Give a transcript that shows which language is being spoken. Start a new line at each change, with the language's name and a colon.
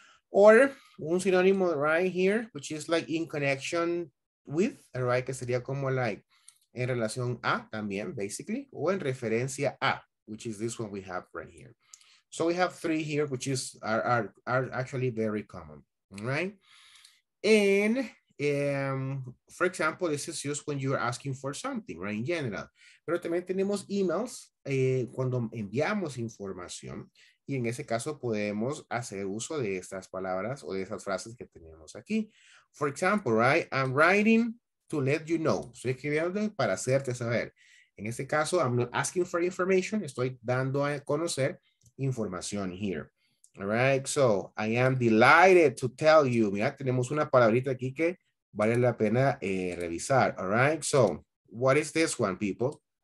English: Or
Spanish: un sinónimo
English: right here, which is like in connection with, right?
Spanish: Que sería como like en relación a también,
English: basically,
Spanish: o en referencia a,
English: which is this one we have right here. So we have three here, which is are actually very common, right? And for example, this is just when you are asking for something, right? In general.
Spanish: Pero también tenemos emails cuando enviamos información y en ese caso podemos hacer uso de estas palabras o de esas frases que tenemos aquí.
English: For example, right? I'm writing to let you know.
Spanish: Estoy escribiendo para hacerte saber. En este caso,
English: I'm not asking for information.
Spanish: Estoy dando a conocer información here.
English: All right, so I am delighted to tell you.
Spanish: Mira, tenemos una palabrita aquí que vale la pena revisar.
English: All right, so what is this one, people?